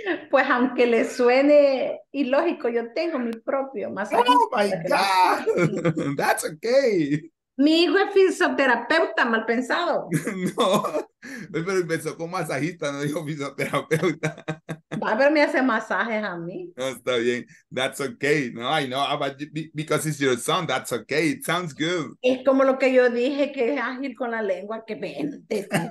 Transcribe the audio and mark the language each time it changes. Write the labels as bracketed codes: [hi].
[es] Pues aunque le suene ilógico, yo tengo mi propio masajista. [en] Oh my God. That's okay. [es] Mi hijo es fisioterapeuta, mal pensado. No, pero empezó con masajista, no dijo fisioterapeuta. Va a ver, me hace masajes a mí. No, está bien. [en] That's okay. No, I know, but because it's your son, that's okay. It sounds good. [es] Es como lo que yo dije, que es ágil con la lengua, que vente.